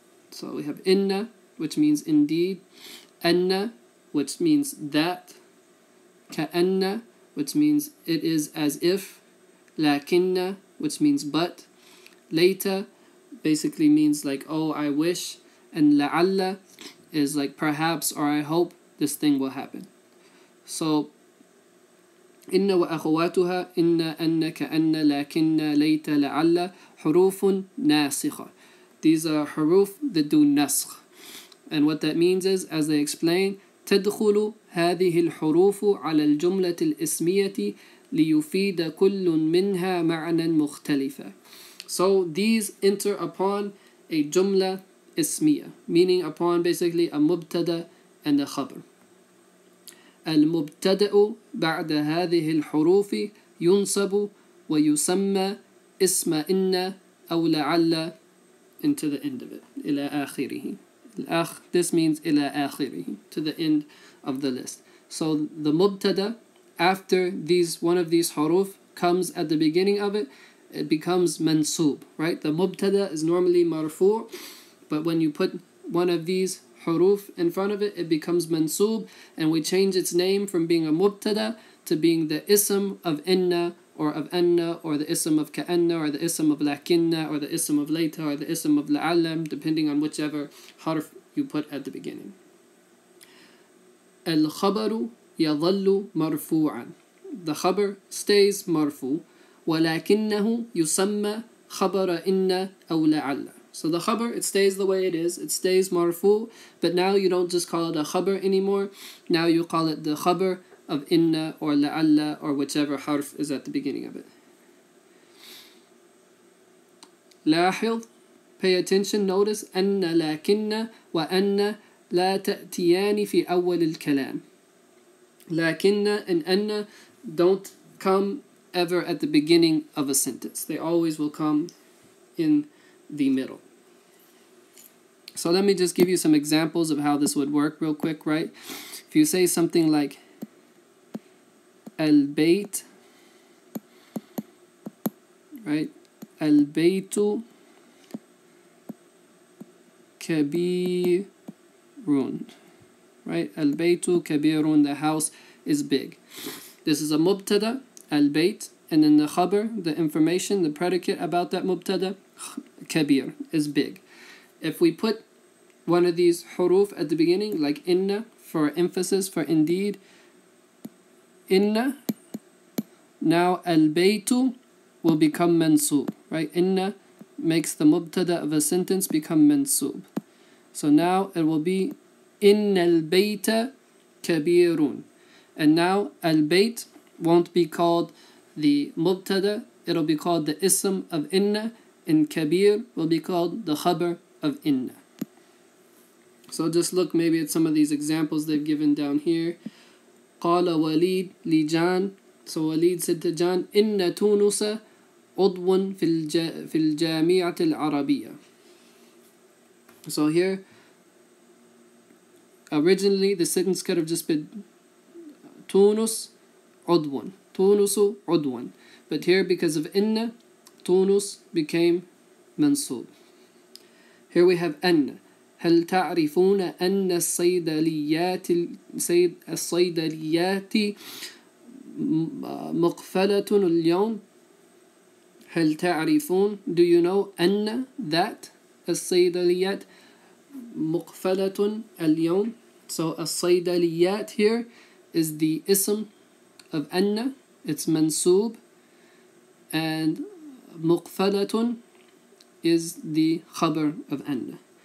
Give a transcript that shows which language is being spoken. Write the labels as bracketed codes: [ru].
[en] So we have inna, which means indeed, anna, which means that, ka'anna, which means it is as if, lakinna, which means but, layta, basically means like, oh, I wish, and la'alla is like perhaps or I hope this thing will happen. [ar] So, إن وأخواتها إن أن كأن لكن ليت لعل حروف ناسخة. [en] These are حروف that do نسخ. And what that means is, as they explain, [ar] تدخل هذه الحروف على الجملة الإسمية ليفيد كل منها معنى مختلفة. [en] So, these enter upon a جملة إسمية, meaning upon basically a مبتدأ and a خبر. [ar] المبتدأ بعد هذه الحروف ينصب ويسمى اسم إن أو لعل [en] into the end of it, [ar] إلى آخره. [en] This means إلى آخره, to the end of the list. So the مبتدأ, after these one of these حروف comes at the beginning of it, it becomes منصوب, right? The مبتدأ is normally مرفوع, but when you put one of these حروف in front of it, it becomes منصوب, and we change its name from being a مبتدا to being the اسم of إن or of أن or the اسم of كأن or the اسم of لكن or the اسم of ليت or the اسم of لعلم, depending on whichever حرف you put at the beginning. [ar] الخبر يظل مرفوعا. The خبر [en] stays [ar] مرفوع, ولكنه يسمى خبر إن أو لعل. [en] So the khabar, it stays the way it is. It stays marfu, but now you don't just call it a khabar anymore. Now you call it the khabar of inna or la'alla or whichever harf is at the beginning of it. [ar] لاحظ, [en] pay attention, notice, [ar] أن لكن وأن لا تأتيان في أول الكلام. [en] لكن and أن don't come ever at the beginning of a sentence. They always will come in the middle. So let me just give you some examples of how this would work real quick, right? If you say something like البيت, right? [ar] البيت كبير, right? [en] البيت كبير, the house is big. This is a مبتدأ, البيت, and then the خبر, the information, the predicate about that مبتدأ, كبير, is big. If we put one of these حروف at the beginning, like إن for emphasis, for indeed, إن, now البيت will become منصوب, right? إن makes the مبتدأ of a sentence become منصوب. So now it will be [ar] إن البيت كبيرون. [en] And now البيت won't be called the مبتدأ, it'll be called the اسم of إن, and كبير will be called the خبر of إن. So just look maybe at some of these examples they've given down here. [ar] قال وليد لجان. So وليد [en] said to [ar] جان, إن تونس عضو في الجامعة العربية. [en] So here, originally the sentence could have just been تونس عضو. [ar] تونس عضو. [en] But here, because of إن, تونس became منصوب. Here we have أن. [ar] هل تعرفون أن الصيدليات مقفلة اليوم؟ هل تعرفون, [en] do you know, [ar] أن, [en] that, [ar] الصيدليات مقفلة اليوم. [en] So الصيدليات here is the ism of أن, it's منصوب, and مقفلة is the خبر of أن.